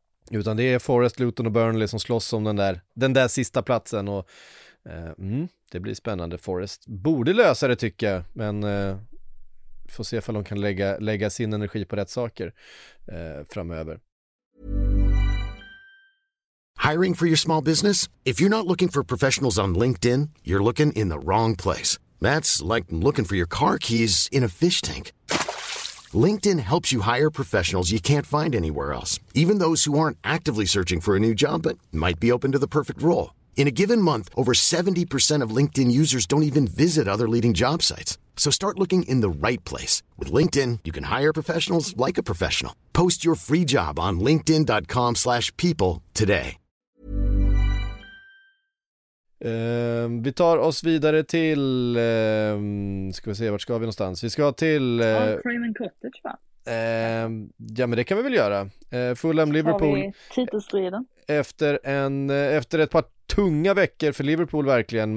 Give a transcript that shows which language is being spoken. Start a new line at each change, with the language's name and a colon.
Swedish: Utan det är Forest, Luton och Burnley som slåss om den där sista platsen. Och det blir spännande. Forest borde lösa det, tycker jag, men får se ifall de kan lägga sin energi på rätt saker framöver.
English: Hiring for your small business? If you're not looking for professionals on LinkedIn, you're looking in the wrong place. That's like looking for your car keys in a fish tank. LinkedIn helps you hire professionals you can't find anywhere else, even those who aren't actively searching for a new job but might be open to the perfect role. In a given month, over 70% of LinkedIn users don't even visit other leading job sites. So start looking in the right place. With LinkedIn, you can hire professionals like a professional. Post your free job on linkedin.com/people today.
Swedish: Vi tar oss vidare till, ska vi se, vart ska vi någonstans? Vi ska till Craven Cottage, va? Ja, men det kan vi väl göra. Fulham Liverpool. Titelstriden. Efter ett par tunga veckor för Liverpool, verkligen.